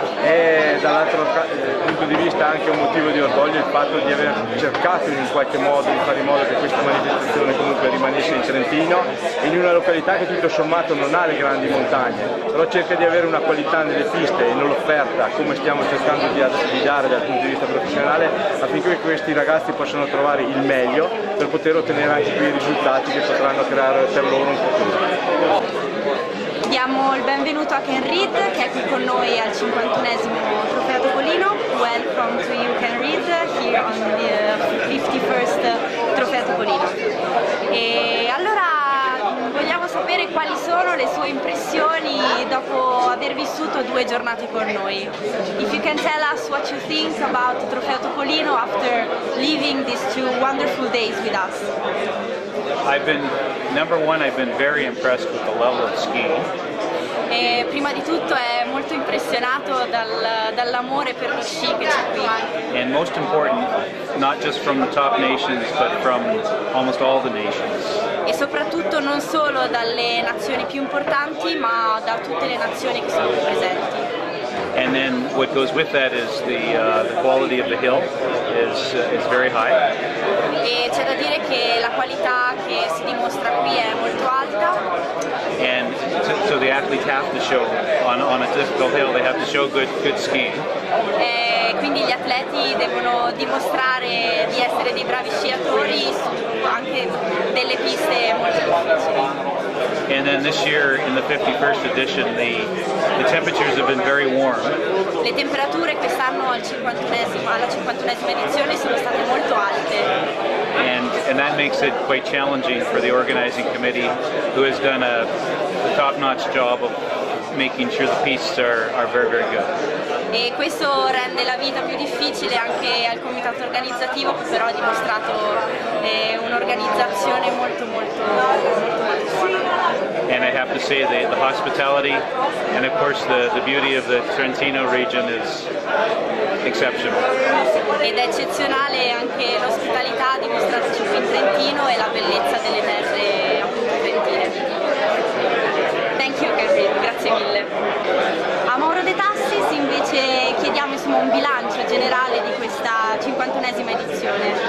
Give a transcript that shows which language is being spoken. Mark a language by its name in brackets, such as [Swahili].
[Italian] E dall'altro punto di vista anche un motivo di orgoglio il fatto di aver cercato in qualche modo di fare in modo che questa manifestazione comunque rimanesse in Trentino, in una località che tutto sommato non ha le grandi montagne, però cerca di avere una qualità nelle piste e nell'offerta, come stiamo cercando di dare dal punto di vista professionale, affinché questi ragazzi possano trovare il meglio per poter ottenere anche quei risultati che potranno creare per loro un futuro. Diamo il benvenuto a Ken Reed, che è qui con noi al 51esimo Trofeo Topolino. [English] Welcome to you, Ken Reed, here on the 51st Trofeo Topolino. [Italian] E allora vogliamo sapere quali sono le sue impressioni dopo aver vissuto due giornate con noi. [English] If you can tell us what you think about Trofeo Topolino after living these two wonderful days with us. Number one, I've been very impressed with the level of skiing. [Italian] E prima di tutto è molto impressionato dall'amore per lo sci che c'è qui. [English] And most important, not just from the top nations, but from almost all the nations. [Italian] e soprattutto non solo dalle nazioni più importanti, ma da tutte le nazioni che sono presenti. [English] And then what goes with that is the quality of the hill is very high. [Italian] E c'è da dire che la qualità che si dimostra qui è molto alta. [English] And so the athletes have to show on a difficult hill, they have to show good skiing. [Italian] E quindi gli atleti devono dimostrare di essere dei bravi sciatori su anche delle piste molto difficili. [English] And then this year in the 51st edition the temperatures have been very warm. [Italian] Le temperature quest'anno alla 51esima edizione sono state molto alte. [English] And that makes it quite challenging for the organizing committee, who has done a top-notch job of making sure the pistes are very very good. [Italian] E questo rende la vita più difficile anche al comitato organizzativo, che però ha dimostrato un'organizzazione molto molto [English] And I have to say the hospitality and of course the beauty of the Trentino region is exceptional. [Italian] Ed è eccezionale anche l'ospitalità dimostrataci qui in Trentino e la bellezza delle terre appunto trentine. [English] Thank you, [Italian] Kerry, grazie mille. A Mauro De Tassis invece chiediamo insomma un bilancio generale di questa 51esima edizione.